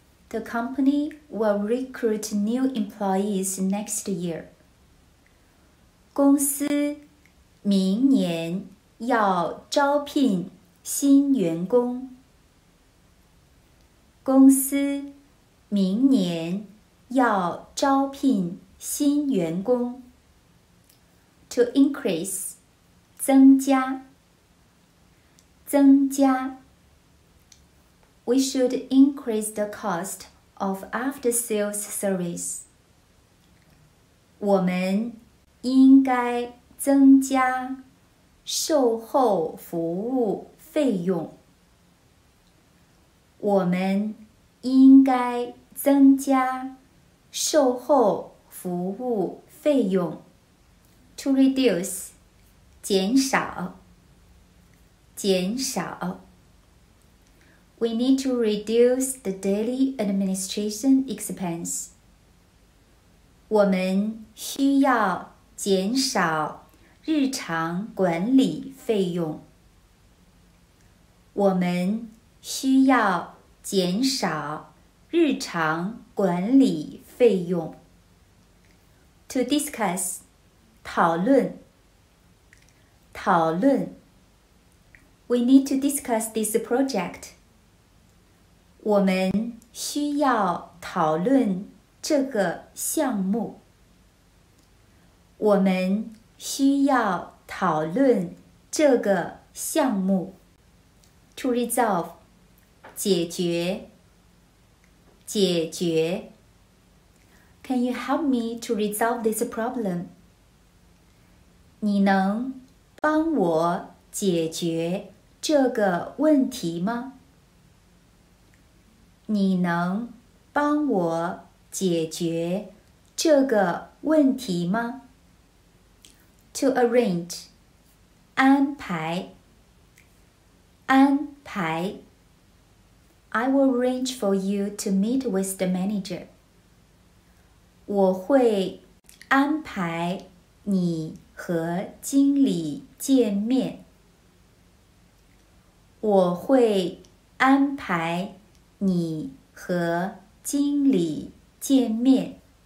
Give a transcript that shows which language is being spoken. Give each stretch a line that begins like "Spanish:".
English: The company will recruit new employees next year.
Chinese: 公司明年要招聘新员工。公司明年要招聘新员工。
English: To increase,
Chinese: 增加。增加。
English: We should increase the cost of after-sales service.
Chinese: 我们应该增加售后服务费用。我们应该增加售后服务费用。
English: To reduce,
Chinese: 减少。减少。
English: We need to reduce the daily administration expense.
Chinese: 我们需要减少日常管理费用。我们需要减少日常管理费用。
English: To discuss,
Chinese: 讨论。讨论。
English: We need to discuss this project.
Chinese: 我们需要讨论这个项目。我们需要讨论这个项目。
English: To resolve,
Chinese: 解决。解决。
English: Can you help me to resolve this problem?
Chinese: 你能帮我解决这个问题吗？你能帮我解决这个问题吗？
English: To arrange,
Chinese: 安排。台。
English: I will arrange for you to meet with the manager.
Chinese: 我会安排你和经理见面。我会安排你和经理见面。